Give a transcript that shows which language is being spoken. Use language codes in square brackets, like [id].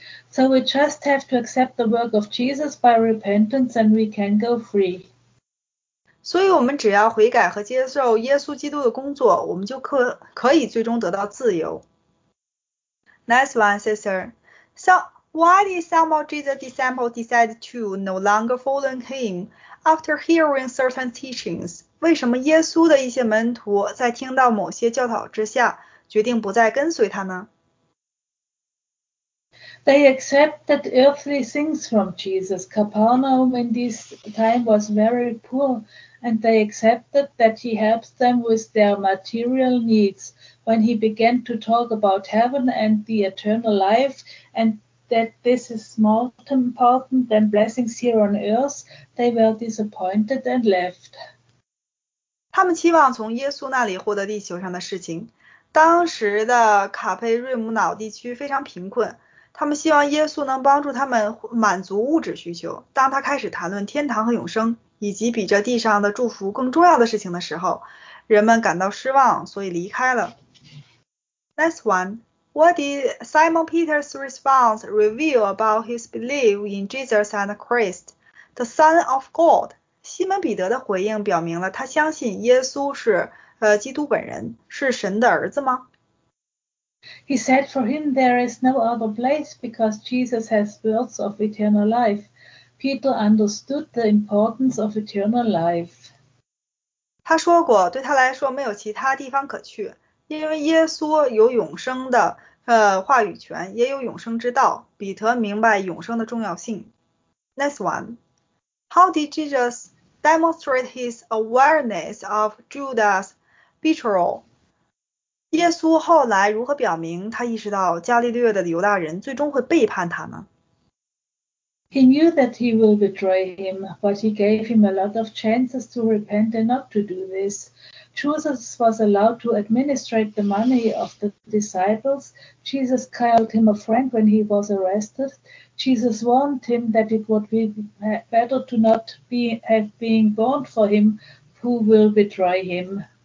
[en] So we just have to accept the work of Jesus by repentance and we can go free. [zh] 所以我们只要悔改和接受耶稣基督的工作，我们就可以最终得到自由。 [en] Next one, sister. So, why did some of Jesus' disciples decide to no longer follow him after hearing certain teachings? [zh] 为什么耶稣的一些门徒在听到某些教导之下，决定不再跟随他呢？ [en] They accepted earthly things from Jesus. Capernaum in this time was very poor, and they accepted that he helps them with their material needs. When he began to talk about heaven and the eternal life, and that this is more important than blessings here on earth, they were disappointed and left. [zh] 他们期望从耶稣那里获得地球上的事情。当时的卡佩瑞姆瑙地区非常贫困，他们希望耶稣能帮助他们满足物质需求。当他开始谈论天堂和永生，以及比这地上的祝福更重要的事情的时候，人们感到失望，所以离开了。 [en] Next one, what did Simon Peter's response reveal about his belief in Jesus and Christ, the Son of God? [zh] 西门彼得的回应表明了他相信耶稣是基督本人，是神的儿子吗？ [en] He said for him there is no other place because Jesus has words of eternal life. Peter understood the importance of eternal life. [zh] 他说过对他来说没有其他地方可去。因为耶稣有永生的话语权，也有永生之道。彼得明白永生的重要性。 [en] Next one, how did Jesus demonstrate his awareness of Judas' betrayal? [zh] 耶稣后来如何表明他意识到加利略的犹大人最终会背叛他呢？ [en] He knew that he will betray him, but he gave him a lot of chances to repent and not to do this. Jesus was allowed to administrate the money of the disciples. Jesus called him a friend when he was arrested. Jesus warned him that it would be better to not be have been born for him who will betray him.